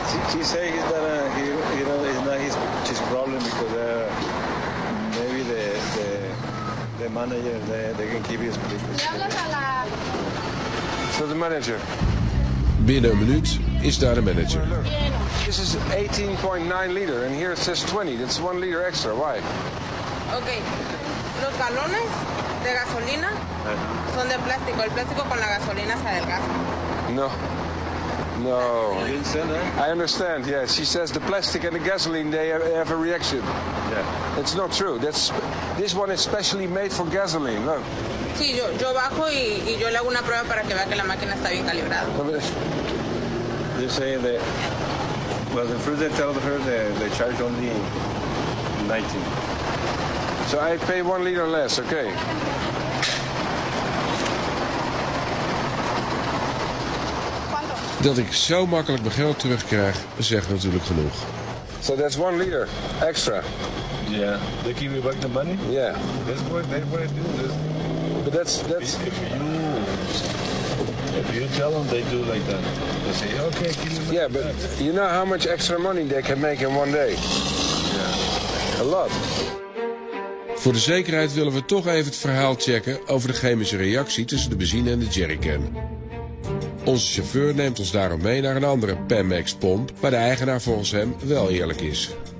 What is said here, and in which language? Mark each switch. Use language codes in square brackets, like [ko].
[en] She says that his problem because maybe the manager, they can keep his papers. So the manager. [nl] Binnen een minuut is daar de manager. [en] This is 18,9 liter and here it says 20. That's 1 liter extra. Why? [es] Okay. Los galones de gasolina son de plástico. El plástico con la gasolina se adelgaza. [en] No. No. You didn't say that? I understand. Yeah. She says the plastic and the gasoline, they have a reaction. Yeah. It's not true. This one is specially made for gasoline. Look. [es] Sí, yo bajo y yo le hago una prueba para que vea que la máquina está bien calibrada. [en] You say that, well, the first they tell her they charge only 19. So I pay 1 liter less, okay? [nl] Dat ik zo makkelijk mijn geld terugkrijg, zegt natuurlijk genoeg. [en] So that's 1 liter extra. Yeah. They give you back the money? Yeah. That's what they want to do. This. But that's. If you tell them, they do like that. They say, okay, give me back. Yeah, but you know how much extra money they can make in 1 day? Yeah. A lot. [nl] Voor de zekerheid willen we toch even het verhaal checken over de chemische reactie tussen de benzine en de jerrycan. Onze chauffeur neemt ons daarom mee naar een andere Pemex-pomp, waar de eigenaar volgens hem wel eerlijk is.